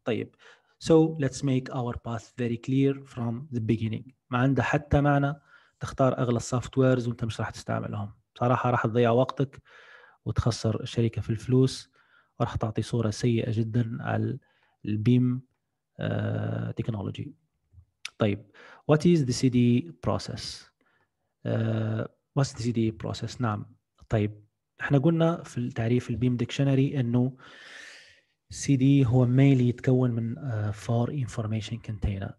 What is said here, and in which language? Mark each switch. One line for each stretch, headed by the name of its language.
English: طيب، so let's make our path very clear from the beginning.
Arabic: ما عنده حتى معنى تختار اغلى السوفت ويرز وانت مش راح تستعملهم صراحه، راح تضيع وقتك وتخسر الشركه في الفلوس، وراح تعطي صوره سيئه جدا على البيم تكنولوجي. طيب،
English: what is the CD process؟
Arabic: what's the CD process؟ نعم، طيب، احنا قلنا في التعريف البيم ديكشنري انه CD هو mainly يتكون من four information container.